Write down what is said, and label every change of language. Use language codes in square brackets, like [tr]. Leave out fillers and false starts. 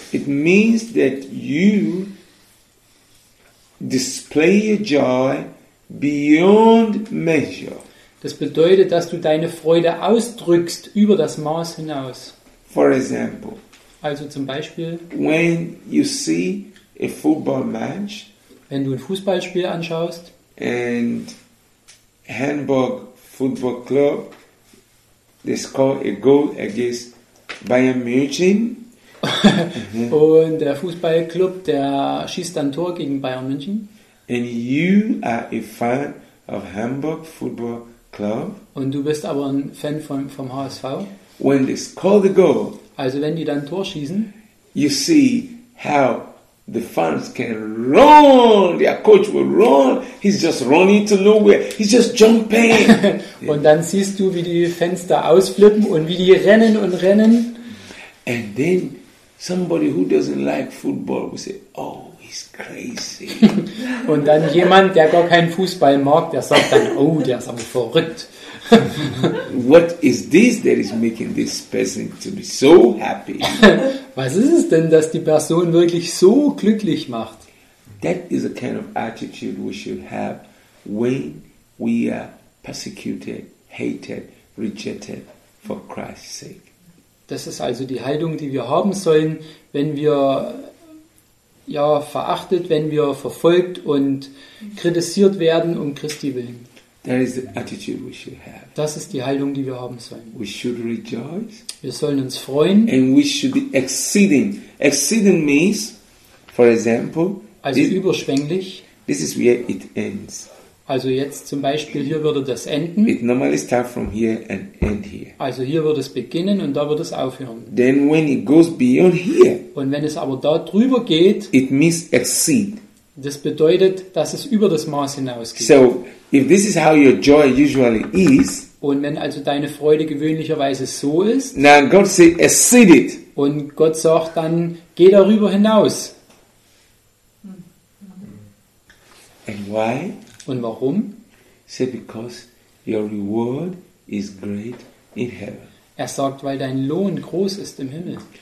[en] It means that you display your joy beyond measure. [de] Das bedeutet, dass du deine Freude ausdrückst über das Maß hinaus. [en] For example. [de] Also zum Beispiel. [en] When you see a football match. [de] Wenn du ein Fußballspiel anschaust. [en] And Hamburg Football Club. They score a goal against Bayern München. [de] Und der Fußballclub, der schießt ein Tor gegen Bayern München. [en] And you are a fan of Hamburg Football Club. [de] Und du bist aber ein Fan vom HSV. [en] When they score the goal. [de] Also wenn die dann ein Tor schießen. [en] You see how The fans can run, their coach will run, he's just running to nowhere, he's just jumping. [de] Und dann siehst du, wie die Fans da ausflippen und wie die rennen und rennen. [en] And then somebody who doesn't like football will say, oh, he's crazy. [de] Und dann jemand, der gar keinen Fußball mag, der sagt dann, oh, der ist aber verrückt. [en] What is this that is making this person to be so happy? [de] Was ist es denn, dass die Person wirklich so glücklich macht? [en] That is a kind of attitude we should have when we are persecuted, hated, rejected for Christ's sake. [de] Das ist also die Haltung, die wir haben sollen, wenn wir ja verachtet, wenn wir verfolgt und kritisiert werden um Christi willen. [en] That is the attitude we should have. [de] Das ist die Haltung, die wir haben sollen. [en] We should rejoice. [de] Wir sollen uns freuen. [en] And we should be exceeding. Exceeding means, for example, [de] also this, überschwänglich. [en] This is where it ends. [de] Also jetzt zum Beispiel, hier würde das enden. [en] It normally starts from here and end here. [de] Also hier würde es beginnen und da würde es aufhören. [en] Then when it goes beyond here. [de] Und wenn es aber da drüber geht. [en] It means exceed. [de] Das bedeutet, dass es über das Maß hinausgeht. [en] So, if this is how your joy usually is, [de] und wenn also deine Freude gewöhnlicherweise so ist, [en] now God say, exceed it. [de] Und Gott sagt dann, geh darüber hinaus. [en] And why? [de] Und warum? [en] Say, because your reward is great in heaven. [de] Er sagt, weil dein Lohn groß ist im Himmel.